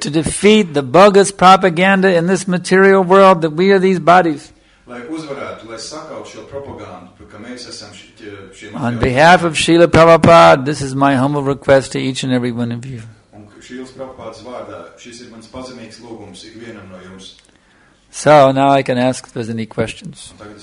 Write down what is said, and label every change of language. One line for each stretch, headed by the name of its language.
English: To defeat the bogus propaganda in this material world that we are these bodies.
Latvian: Lai uzvarētu, lai sakaut šo propagandu, ka mēs esam šie materiāli.
English: On behalf of Srila Prabhupada, this is my humble request to each and every one of you.
Latvian: Un Srilas Prabhupādas vārdā, šis ir mans pazemīgs lūgums ikvienam no jums.
English: So, now I can ask if there's any questions.